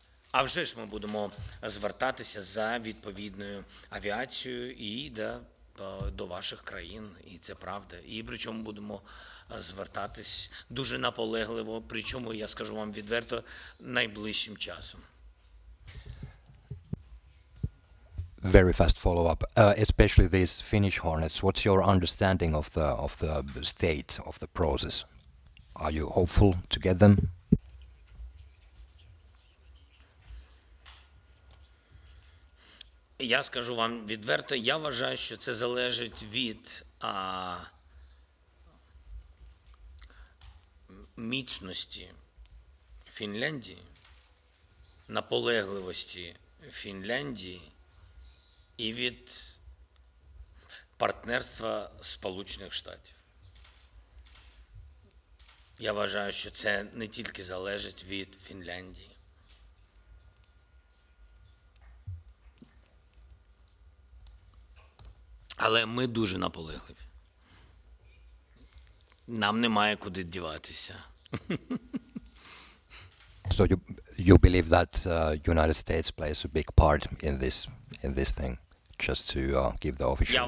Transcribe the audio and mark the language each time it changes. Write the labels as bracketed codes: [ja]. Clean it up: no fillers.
[uk] А вже ж ми будемо звертатися за відповідною авіацією і до ваших країн, і це правда. І причому будемо звертатись дуже наполегливо, причому, я скажу вам відверто, найближчим часом. [en] Very fast follow-up. Especially these Finnish Hornets, what's your understanding of the state of the process? Are you hopeful to get them? [uk] Я скажу вам відверто, я вважаю, що це залежить від міцності Фінляндії, наполегливості Фінляндії і від партнерства Сполучених Штатів. Я вважаю, що це не тільки залежить від Фінляндії. Але ми дуже наполегливі. Нам немає куди діватися. [en] So you believe that United States plays a big part in this thing, just to give the official goal.